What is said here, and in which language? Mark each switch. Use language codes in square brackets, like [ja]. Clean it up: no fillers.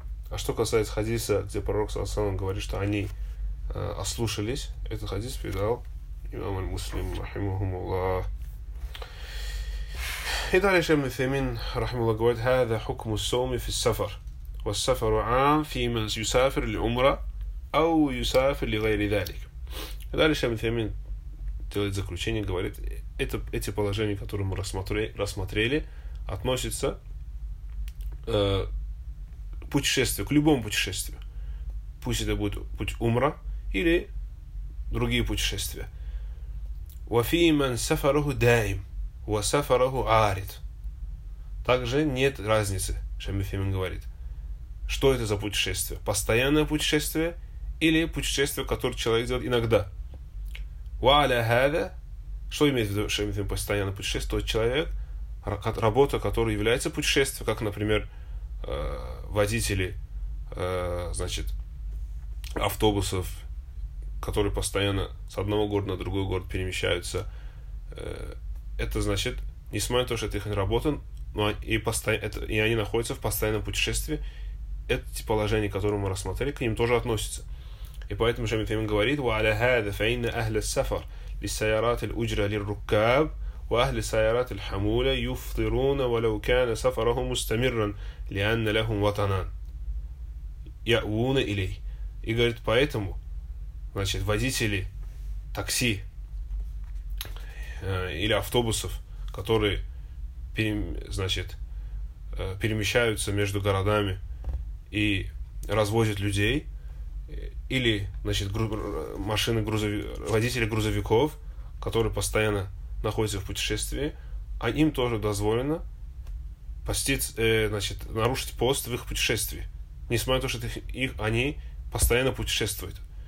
[ru] А что касается хадиса, где пророк саллаллаху алейхи ва саллям говорит, что они ослушались, этот хадис передал имам аль-Муслим, рахимахуллах. И далее Шейх Мусаймин, рахимахуллах, говорит, [ar] هذا حكم الصوم في السفر والسفر عام في من يسافر للعمرة أو يسافر لغير ذلك. [ru] И далее Шейх Мусаймин делает заключение, говорит, эти положения, которые мы рассмотрели, относятся к путешествию, к любому путешествию. Пусть это будет путь умра или другие путешествия. [ar] وَفِي مَنْ سَفَرُهُ دَائِمْ وَسَفَرُهُ عَارِدْ. [ru] Также нет разницы, Шейх Мусаймин говорит, что это за путешествие. Постоянное путешествие или путешествие, которое человек делает иногда. [ar] وَعَلَى هَذَا. [ru] Что имеет в виду Шейх Мусаймин постоянно путешествует? Тот человек, работа которой является путешествием, как, например, водители, значит, автобусов, которые постоянно с одного города на другой город перемещаются. Это значит, несмотря на то, что это их работа, но и они находятся в постоянном путешествии, эти положения, которые мы рассмотрели, к ним тоже относятся. [ar] И поэтому Шейх Мусаймин говорит, وَعَلَى هَذَا فَإِنَّ أَهْلَ السَّفَرْ لِسَيَارَاتِ الْأُجْرَ لِلْرُكَّابِ وَأَهْلِ سَيَارَاتِ الْحَمُولَ يُفْطِرُونَ وَلَوْ كَانَ سَفَرَهُ مُسْتَمِرًا لِأَنَّ لَهُمْ وَطَنًا يَأْوُونَ إِلَيْهِ. [ru] И говорит, поэтому Значит, водители такси или автобусов, которые перемещаются между городами и развозят людей, или, значит, водители грузовиков, которые постоянно находятся в путешествии, а им тоже дозволено нарушить пост в их путешествии, несмотря на то, что они постоянно путешествуют.